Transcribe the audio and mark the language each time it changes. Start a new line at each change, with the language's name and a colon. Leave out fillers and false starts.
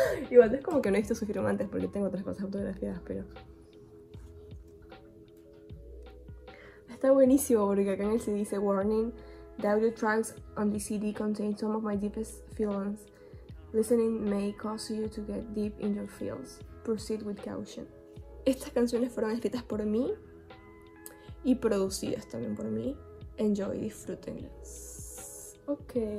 Spanish: Igual, es como que no he visto su firma antes porque tengo otras cosas autografiadas, pero. Está buenísimo porque acá en el CD dice warning.
English: The tracks on the CD contain some of my deepest feelings. Listening may cause you to get deep in your feels. Proceed with caution.
Spanish: Estas canciones fueron escritas por mí y producidas también por mí. Enjoy, disfrútenlas. Ok.